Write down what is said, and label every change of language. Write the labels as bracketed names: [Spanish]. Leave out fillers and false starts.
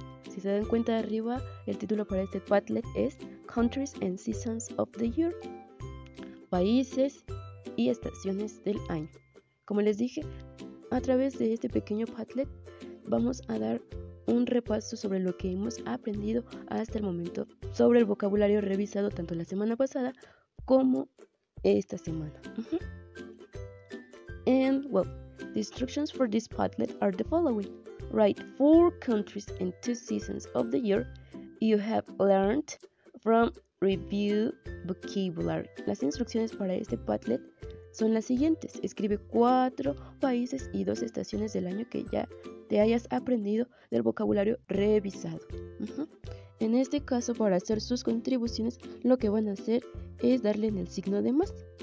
[Spanish] Si se dan cuenta, arriba el título para este Padlet es [English] Countries and Seasons of the Year, [Spanish] países y estaciones del año. Como les dije, a través de este pequeño Padlet vamos a dar un repaso sobre lo que hemos aprendido hasta el momento sobre el vocabulario revisado tanto la semana pasada como esta semana. [English] And well, the instructions for this Padlet are the following. Write four countries and two seasons of the year you have learned from review vocabulary. [Spanish] Las instrucciones para este Padlet son las siguientes. Escribe cuatro países y dos estaciones del año que ya te hayas aprendido del vocabulario revisado. En este caso, para hacer sus contribuciones, lo que van a hacer es darle en el signo de más.